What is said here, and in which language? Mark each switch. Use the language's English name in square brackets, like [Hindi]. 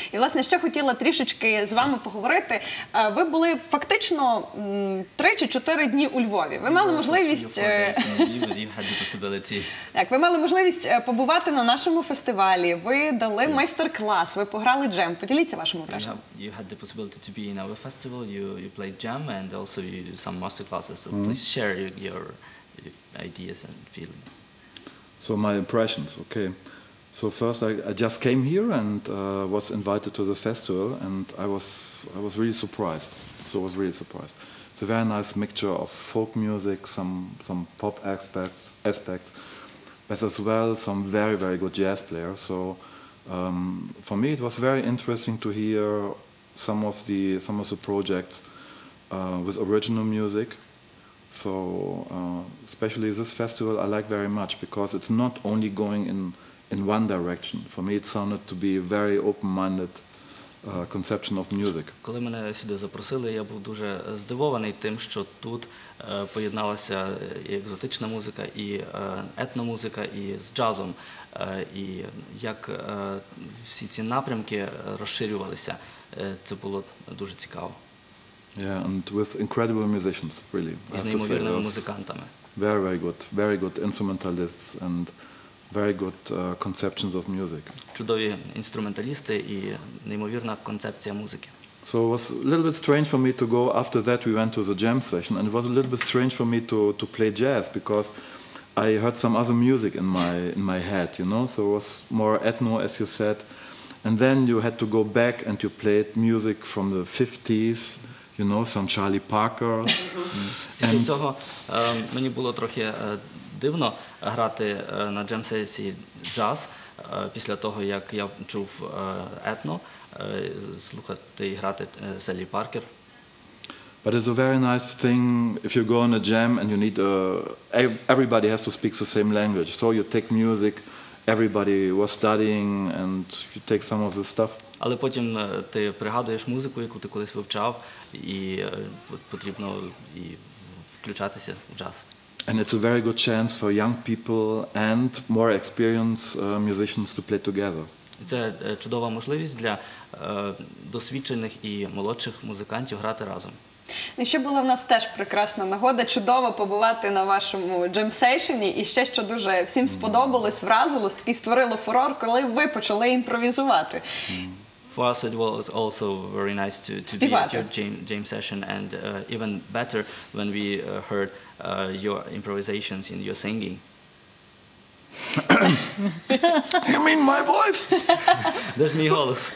[Ukrainian] І, власне, ще хотіла трішечки з вами поговорити. Ви були фактично 3 чи 4 дні у Львові. Ви мали можливість побувати на нашому фестивалі. Ви дали майстер-клас, ви пограли джем. Поділіться вашим враженням. [English] You had the possibility to be in our festival. You played jam and also you did some master classes. So please share your ideas and feelings. So my impressions, okay. So first I just came here and was invited to the festival, and I was really surprised. So I was really surprised. It's a very nice mixture of folk music, some pop aspects, but as well some very, very good jazz players. So for me it was very interesting to hear some of the projects with original music. So especially this festival I like very much because it's not only going in one direction. For me it sounded to be a very open-minded conception of music. [Ukrainian] Коли мене сюди запросили, я був дуже здивований тим, що тут поєдналася і екзотична музика, і етномузика, і з джазом, і як всі ці напрямки розширювалися. Це було дуже цікаво. [English] Yeah, and with incredible musicians, really. I have to say, [Ukrainian] музикантами. [English] Very, very good. Very good instrumentalists and very good conceptions of music. [Ukrainian] Чудові інструменталісти і неймовірна концепція музики. [English] So it was a little bit strange for me to go. After that, we went to the jam session, and it was a little bit strange for me to play jazz because I heard some other music in my head, you know. So it was more ethno, as you said, and then you had to go back and you played music from the 50s. You know, some Charlie Parker. [Ukrainian] Після цього мені було трохи дивно грати на джем-сесії джаз після того, як я чув етно, слухати і грати Салі Паркер. [English] But it's a very nice thing if you go on a jam and you need everybody has to speak the same language. So you take music, everybody was studying and you take some of the stuff. [Ukrainian] Але потім ти пригадуєш музику, яку ти колись вивчав, і потрібно і включатися в джаз. [English] And it's a very good chance for young people and more experienced musicians to play together. [Ukrainian] Це чудова можливість для досвідчених і молодших музикантів грати разом. Ну, ще була в нас теж прекрасна нагода, чудово побувати на вашому джем-сейшені. І ще, що дуже всім сподобалось, вразилось, такий створило фурор, коли ви почали імпровізувати. [English] For us it was also very nice to be at your jam session, and even better when we heard your improvisations in your singing. You mean my voice? There's [Ukrainian] мій голос.